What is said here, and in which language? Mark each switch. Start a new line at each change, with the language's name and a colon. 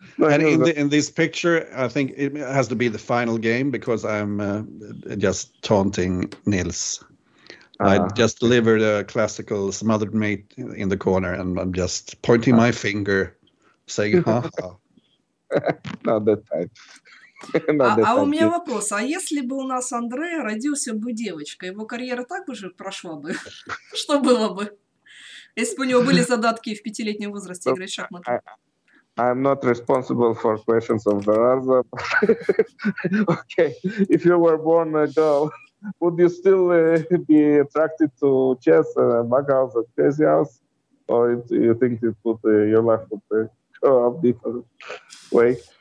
English: And in this picture, I think it has to be the final game because I'm just taunting Nils. I just delivered a classical smothered mate in the corner and I'm just pointing my finger, saying, ha ha. Not that tight.
Russian: А у меня вопрос. А если бы у нас Андре родился бы девочка, его карьера так бы же прошла бы? Что было бы? Если бы у него были задатки в пятилетнем возрасте играть в шахматы?
English: I'm not responsible for questions of the other. Okay. If you were born a girl, would you still be attracted to chess, bughouse, and chess house? Or you think it would, your life would go up different way?